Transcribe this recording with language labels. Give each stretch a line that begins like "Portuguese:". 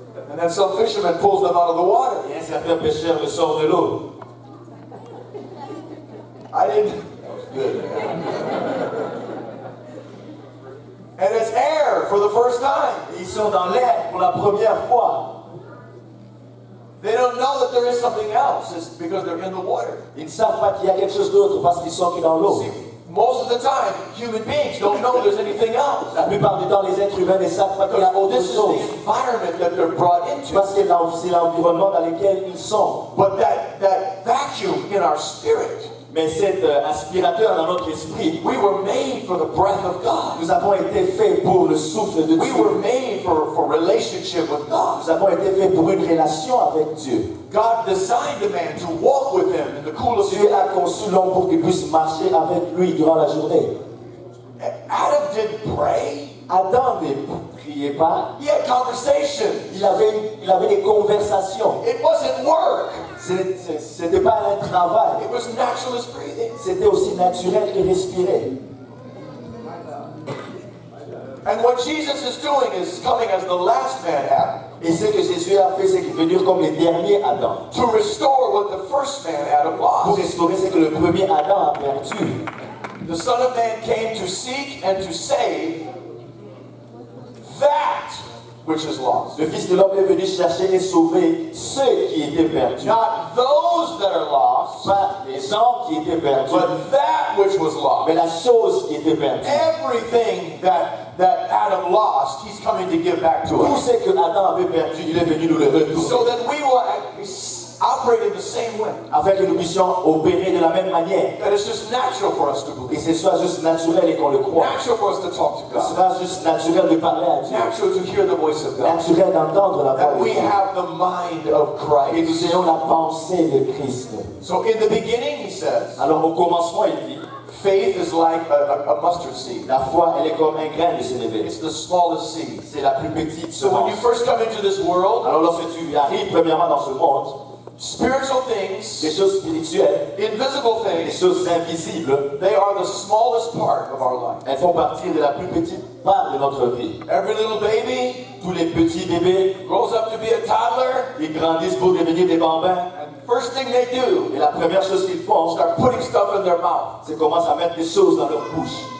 English: And then some fisherman pulls them out of the water.
French: Et un certain pêcheur le sort de l'eau.
English: I didn't. Good. And it's air for the first time.
French: Ils sont dans l'air pour la première fois.
English: They don't know that there is something else because they're in the water.
French: Ils ne savent pas qu'il y a quelque chose d'autre parce qu'ils sont dans l'eau.
English: See, most of the time, human beings don't know there's anything else.
French: La plupart du temps, les êtres humains ne savent pas qu'il y a autre chose.
English: This is the environment that they're brought into.
French: Parce que c'est l'environnement dans lequel ils sont.
English: But that vacuum in our spirit.
French: Mais cet aspirateur dans notre esprit,
English: we were made for the breath of God.
French: Nous avons été faits pour le souffle de Dieu.
English: We were made for relationship with God.
French: Nous avons été faits pour une relation avec Dieu.
English: God designed the man to walk with him in the cool of
French: Dieu a conçu l'homme pour qu'il puisse marcher avec lui durant la journée.
English: Adam didn't pray.
French: Adam ne priait pas.
English: He had conversation.
French: Il avait des conversations.
English: It wasn't work.
French: C'était pas un travail.
English: It was natural as breathing.
French: C'était aussi naturel que respirer.
English: And what Jesus is doing is coming as the last man Adam.
French: Et ce que Jésus a fait, c'est qu'il est venu comme le dernier Adam.
English: To restore what the first man Adam lost.
French: Pour restaurer ce que le premier Adam a perdu.
English: The Son of Man came to seek and to save that which is lost.
French: Le Fils de l'homme est venu chercher et sauver ceux qui étaient perdus.
English: Not those that are lost.
French: Pas les gens qui étaient perdus.
English: But that which was lost.
French: Mais la chose qui était perdue.
English: Everything that Adam lost, he's coming to give back to us.
French: Tout ce que Adam avait perdu, il est venu nous le retourner.
English: So that we will operate in the same way.
French: Afin que nous puissions opérer de la même manière.
English: That it's just natural for us to believe.
French: Et ce soit juste naturel et qu'on le croit.
English: Natural for us to talk to God.
French: Ce soit juste naturel de parler à Dieu.
English: Natural to hear the voice of God.
French: Naturel d'entendre la voix de Dieu.
English: That we have the mind of Christ.
French: Et nous ayons la pensée de Christ.
English: So in the beginning, he says.
French: Alors au commencement, il dit.
English: Faith is like a mustard seed.
French: La foi, elle est comme un grain de sénévé.
English: It's the smallest seed.
French: C'est la plus petite semence.
English: So when you first come into this world.
French: Alors lorsque tu arrives premièrement dans ce monde.
English: Spiritual things,
French: les choses spirituelles,
English: invisible things,
French: les choses invisibles,
English: they are the smallest part of our life.
French: Elles font partie de la plus petite part de notre vie.
English: Every little baby,
French: tous les petits bébés,
English: grows up to be a toddler,
French: ils grandissent pour devenir des bambins.
English: First thing they do,
French: et la première chose qu'ils font,
English: start putting stuff in their mouth.
French: C'est commencer à mettre des choses dans leur bouche.